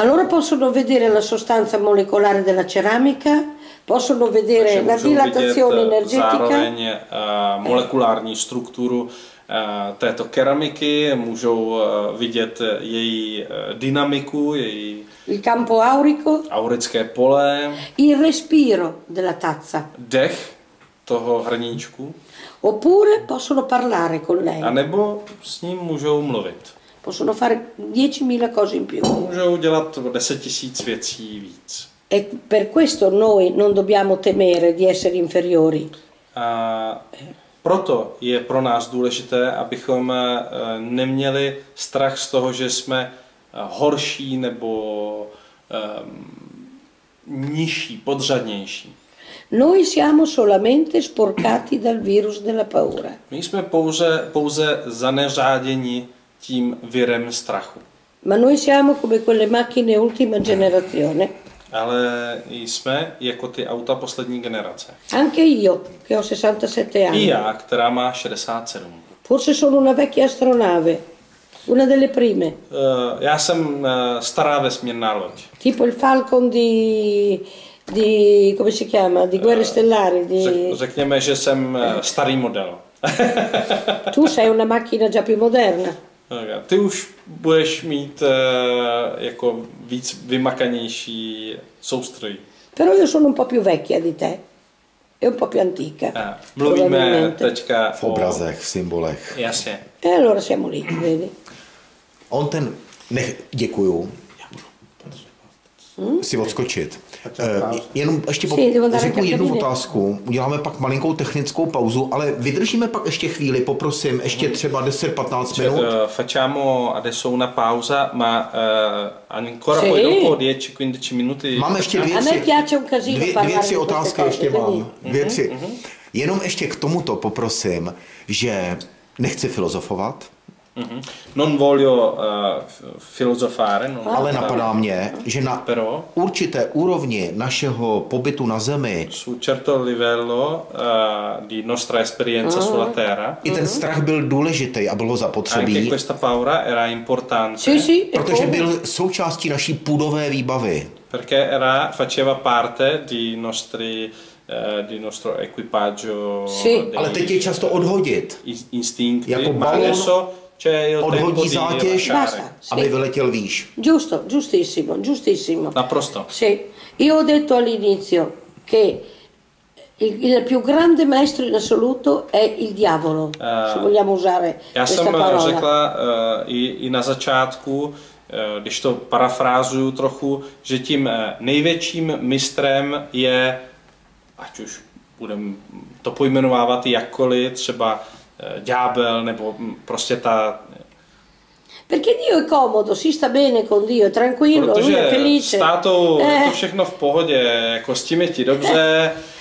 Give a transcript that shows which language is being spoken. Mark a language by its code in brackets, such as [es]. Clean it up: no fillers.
[it] Allora possono vedere la sostanza molecolare della ceramica, possono vedere la dilatazione energetica. [cs] Zároveň molekulární strukturu této keramiky, můžou vidět její dynamiku, její [it] il campo aurico, [cs] aurické pole, [it] il respiro della tazza, [cs] dech toho hrníčku, [it] oppure possono parlare con lei, [cs] a nebo s ním můžou mluvit, [it] possono fare 10.000 cose in più, [cs] můžou dělat 10.000 věcí víc. [it] E per questo noi non dobbiamo temere di essere inferiori. [cs] A proto je pro nás důležité, abychom neměli strach z toho, že jsme horší nebo nižší, podřadnější. [it] Noi siamo solamente sporcati dal virus della paura. [cs] My jsme pouze zaneřáděni tím virem strachu. [it] Ma noi siamo come quelle macchine ultima generazione. [cs] Ale jsme jako ty auta poslední generace. [it] Anche io, che ho 67 anni. [cs] I já, která má 67. [it] Forse sono una vecchia astronave. Una delle prime. [cs] Já jsem stará vesmírná loď. [it] Tipo il Falcon di come si chiama? Di Guerre Stellari, di [cs] Řekněme, že jsem starý model. [it] Tu sei una macchina già più moderna. [cs] Ty už budeš mít jako víc vymakanější soustroj. [it] Però io sono un po' più vecchia di te. È un po' più antica. [cs] Mluvíme teďka v obrazech, v symbolech. Jasně. [it] E allora siamo lì, vedi? [cs] On ten, děkuju. Si odskočit. Jenom ještě řeknu jednu otázku. Uděláme pak malinkou technickou pauzu, ale vydržíme pak ještě chvíli, poprosím, ještě třeba 10-15 minut. [it] Facciamo adesso una pausa, ma ancora poi dopo 10-15 minuti. [cs] Mám ještě dvě tři otázky ještě mám. Jenom ještě k tomuto poprosím, že nechci filozofovat. [it] Non voglio filozofare, non voglio. [cs] Ale napadá mě, že na [it] però, [cs] určité úrovni našeho pobytu na Zemi, [it] su certo livello di nostra esperienza sulla Terra, [cs] i ten strach byl důležitý a bylo zapotřebí. [it] Anche questa paura era importante, sì, [cs] protože byl součástí naší půdové výbavy. [it] Perché era faceva parte di nostri di nostro equipaggio. Sì. [cs] Ale teď je čas to odhodit. Instinkt. Jako balon. Odhodí zátěž, aby vyletěl výš. [it] Giusto, giustissimo, giustissimo. [cs] Naprosto. [it] Sì. Io ho detto all'inizio che il più grande maestro in assoluto è il diavolo, se vogliamo usare questa parola. [cs] Já jsem řekla i na začátku, když to parafrázuju trochu, že tím největším mistrem je, ať už budem to pojmenovávat jakkoliv, třeba ďábel nebo prostě ta. [it] Perché Dio è comodo, si sta bene con Dio, tranquillo, lui è felice. [cs] S tátou je to všechno v pohodě, jako s tím je ti dobře.